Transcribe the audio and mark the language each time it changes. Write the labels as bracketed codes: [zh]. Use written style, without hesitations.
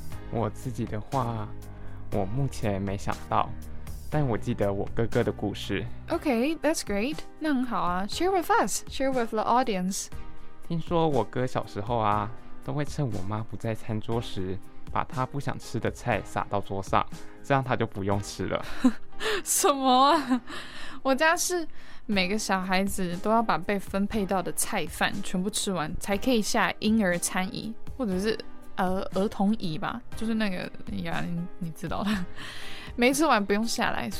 [zh] 我自己的话，我目前没想到，但我记得我哥哥的故事。 [en] Okay, that's great, [zh] 那很好啊， [en] share with us, share with the audience。 [zh] 听说我哥小时候啊，都会趁我妈不在餐桌时，把他不想吃的菜撒到桌上，这样他就不用吃了。什么啊？我家是每个小孩子都要把被分配到的菜饭全部吃完，才可以下婴儿餐椅，或者是儿童椅吧，就是那个呀， 你知道的，没吃完不用下来。